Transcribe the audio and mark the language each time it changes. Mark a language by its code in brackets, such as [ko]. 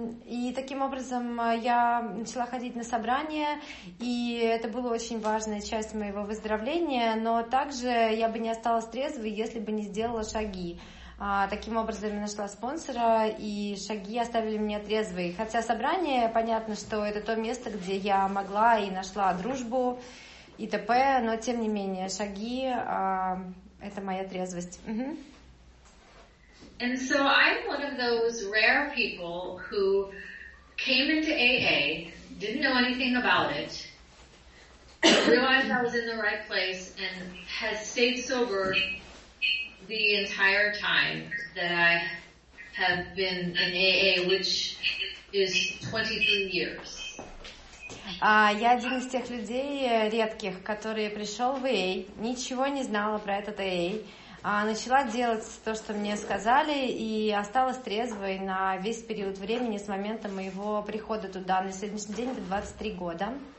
[ru] И таким образом я начала ходить на собрания, и это была очень важная часть моего выздоровления, но также я бы не осталась трезвой, если бы не сделала шаги. Таким образом я нашла спонсора, и шаги оставили меня трезвой. Хотя собрание, понятно, что это то место, где я могла и нашла дружбу и т.п., но тем не менее шаги это моя трезвость. Угу. [en] And so I'm one of those rare people who came into AA, didn't know anything about it, realized I was in the right place, and has stayed sober the entire time that I have been in AA, which is 23 years. [ru] Я один из тех людей редких, который пришел в AA, ничего не знала про этот AA. Начала делать то, что мне сказали, и осталась трезвой на весь период времени с момента моего прихода туда. На сегодняшний день это 23 года.